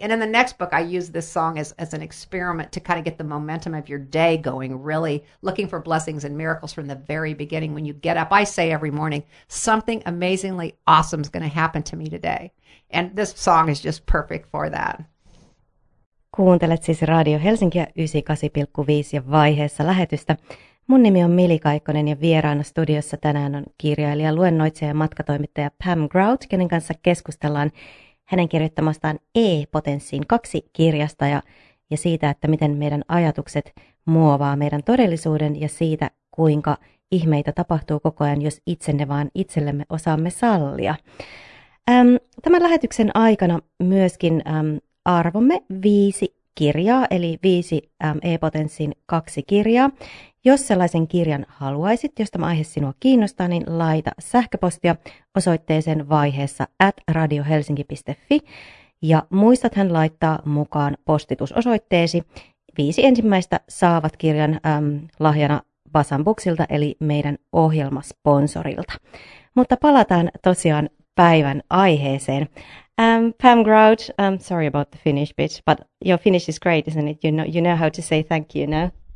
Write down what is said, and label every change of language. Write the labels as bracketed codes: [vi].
[en] And in the next book, I use this song as an experiment to kind of get the momentum of your day going, really looking for blessings and miracles from the very beginning. When you get up, I say every morning, something amazingly awesome is going to happen to me today. And this song is just perfect for that. [fi] Kuuntelet siis Radio Helsinkiä 98.5 ja vaiheessa lähetystä. Mun nimi on Mili Kaikkonen ja vieraana studiossa tänään on kirjailija, luennoitsija ja matkatoimittaja Pam Grout, kenen kanssa keskustellaan hänen kirjoittamastaan E-potenssiin 2 kirjasta ja siitä, että miten meidän ajatukset muovaa meidän todellisuuden ja siitä, kuinka ihmeitä tapahtuu koko ajan, jos itsenne vaan itsellemme osaamme sallia. Tämän lähetyksen aikana myöskin arvomme 5 kirjaa, eli 5 E-potenssiin 2 kirjaa. Jos sellaisen kirjan haluaisit, jos tämä aihe sinua kiinnostaa, niin laita sähköpostia osoitteeseen vaiheessa @radiohelsinki.fi. Ja muistathan laittaa mukaan postitusosoitteesi. 5 ensimmäistä saavat kirjan lahjana Basan Booksilta, eli meidän ohjelmasponsorilta. Mutta palataan tosiaan päivän aiheeseen. [en] Pam Grout, I'm sorry about the Finnish bit, but your Finnish is great, isn't it? You know how to say thank you now.